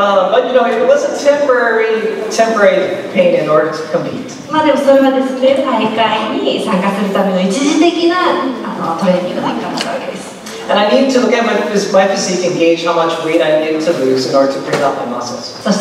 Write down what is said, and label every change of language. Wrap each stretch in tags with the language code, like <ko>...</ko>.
<en>But you know, it was a temporary pain in order to compete.</en> <ja>まあでもそれはですね、大会に参加するための一時的なトレーニングだったわけです。</ja> <en>And I need to look at my physique and gauge how much weight I need to lose in order to build up my muscles.</en>